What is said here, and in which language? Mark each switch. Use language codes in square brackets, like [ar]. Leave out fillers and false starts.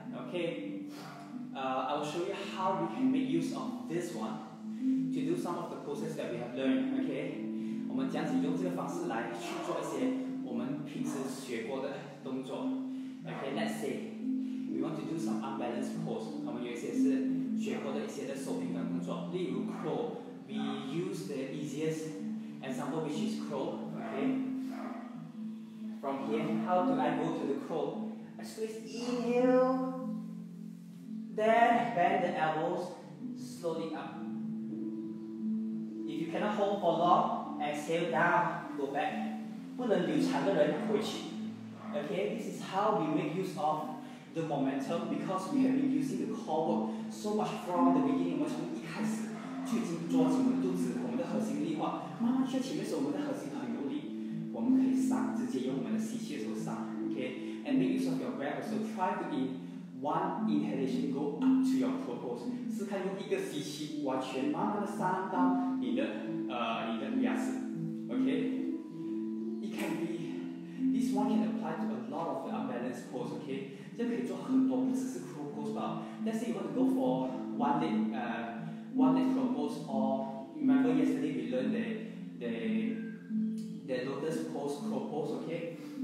[en] Okay, I will show you how we can make use of this one to do some of the poses that we have learned. [zh] Okay, 我们这样子用这个方式来去做一些我们平时学过的动作。 [en] Okay, let's say we want to do some unbalanced pose. [zh] 我们有一些是学过的一些的手平衡动作，例如 crawl. [en] We use the easiest example, which is crawl. Okay, from here, how do I go to the crawl? I squeeze, inhale, then bend the elbows slowly up. If you cannot hold for long, exhale down, go back. [zh] 不能留长的人回去。 [en] Okay, this is how we make use of the momentum because we have been using the core work so much from the beginning. [zh] 我们从一开始就已经抓紧我们肚子，我们的核心力化。慢慢去前面时候，我们的核心很有力，我们可以上，直接用我们的吸气的时候上。 [en] Okay. And make use of your breath. So try to in one inhalation go up to your core pose. [zh] 试看用一个吸气完全慢慢的上到你的牙齿。 [en] Okay, it can be this one can apply to a lot of the unbalanced pose. Okay, [zh] 这可以做很多，不只是 [en] core pose 吧。Let's say you want to go for one leg core pose, or remember yesterday we learned the lotus pose core pose. Okay.